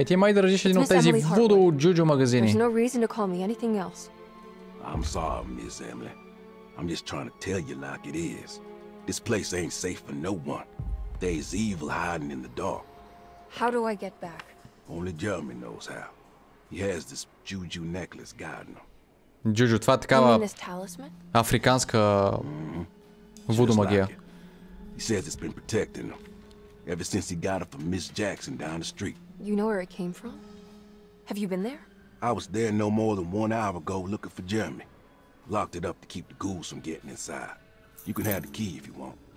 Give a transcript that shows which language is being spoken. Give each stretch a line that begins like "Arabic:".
Bulgarian: Hey, ти май държиш един от тези вудо джуджу магазини.
English: There's no reason to call me anything else. I'm sorry, Miss Emily. I'm just trying to tell you like it is. This place ain't safe for no one. There's evil hiding in the dark. How do I get back? Only Jeremy knows how. He has this juju necklace guiding him.
Bulgarian: Джуджу, това е такава африканска вудо магия.
English: He says it's been protecting him ever since he got it from Miss Jackson down the street. You know where it came from? Have you been there? I was there no more than 1 hour ago looking for Jeremy. Locked it up to keep the ghouls from getting inside. You can have the key if you want.